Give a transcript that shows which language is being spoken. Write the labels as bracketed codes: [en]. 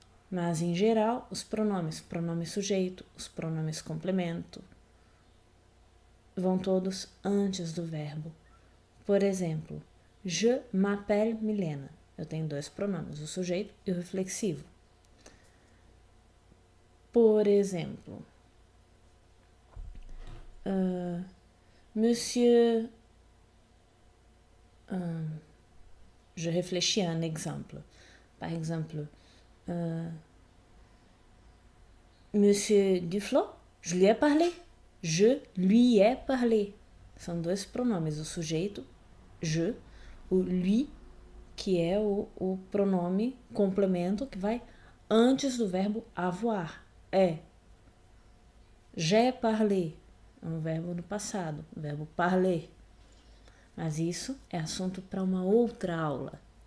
[pt] Mas, em geral, os pronomes, pronome sujeito, os pronomes complemento, vão todos antes do verbo. Por exemplo, [fr] je m'appelle Milena. [pt] Eu tenho dois pronomes, o sujeito e o reflexivo. Por exemplo, [fr] Monsieur, je réfléchis à un exemple. Par exemple, Monsieur Duflo, je lui ai parlé. Je lui ai parlé. [pt] São dois pronomes, o sujeito, je, o lui, que é o pronome complemento que vai antes do verbo avoir. É. [fr] J'ai parlé. [pt] É um verbo no passado, o verbo parler. Mas isso é assunto para uma outra aula.